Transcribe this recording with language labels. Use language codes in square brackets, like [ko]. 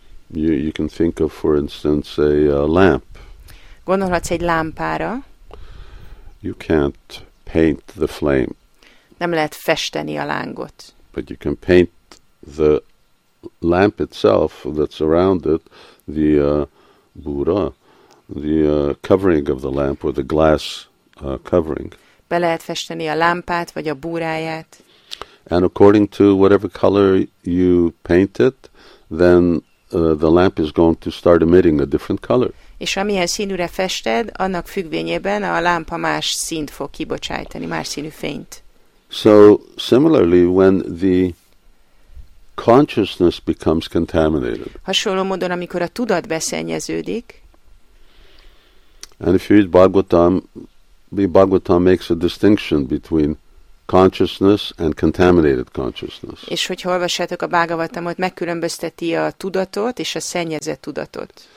[en] You can think of, for instance, a lamp. [hu] Gondolhatsz egy lámpára. [en] You can't paint the flame. [hu] Nem lehet festeni a lángot. [en] But you can paint the lamp itself that's around it, the bura, the covering of the lamp, or the glass covering. [hu] Be lehet festeni a lámpát, vagy a búráját. [en] And according to whatever color you paint it, then the lamp is going to start emitting a different color. [hu] És amilyen színűre fested, annak függvényében a lámpa más színt fog kibocsájtani, más színű fényt. [en] So, similarly, when the consciousness becomes contaminated. [hu] Hasonló módon, amikor a tudat beszennyeződik. [en] And if you read Bhagavatam, the Bhagavatam makes a distinction between consciousness and contaminated consciousness. [hu] És hogyha olvassátok a Bhagavatamot, megkülönbözteti a tudatot és a szennyezett tudatot.